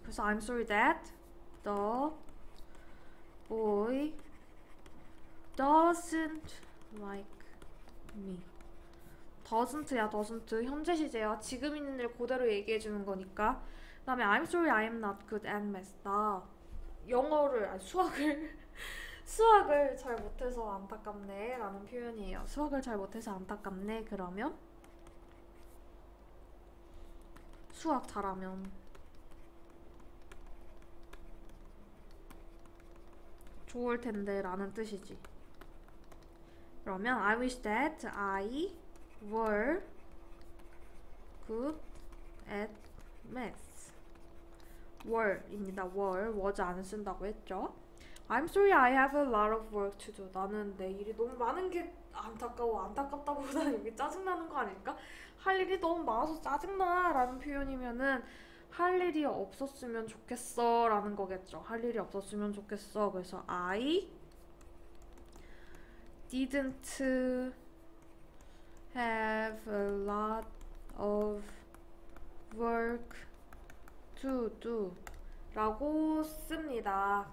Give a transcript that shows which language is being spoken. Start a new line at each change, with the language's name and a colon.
Korean: 그래서
English: I'm sorry that the boy doesn't like me.
Korean: doesn't야 doesn't. 현재 시제야. 지금 있는 일 그대로 얘기해 주는 거니까. 그 다음에
English: I'm sorry I am not good at math.
Korean: 나 영어를, 아니 수학을 수학을 잘 못해서 안타깝네 라는 표현이에요. 수학을 잘 못해서 안타깝네. 그러면 수학 잘하면 좋을 텐데 라는 뜻이지. 그러면
English: I wish that I were good at math.
Korean: were입니다. were. was 안 쓴다고 했죠.
English: I'm sorry I have a lot of work to do.
Korean: 나는 내 일이 너무 많은 게 안타까워. 안타깝다보다는 이게 짜증나는 거 아닐까? 할 일이 너무 많아서 짜증나 라는 표현이면은 할 일이 없었으면 좋겠어 라는 거겠죠. 할 일이 없었으면 좋겠어. 그래서
English: I didn't have a lot of work to do
Korean: 라고 씁니다.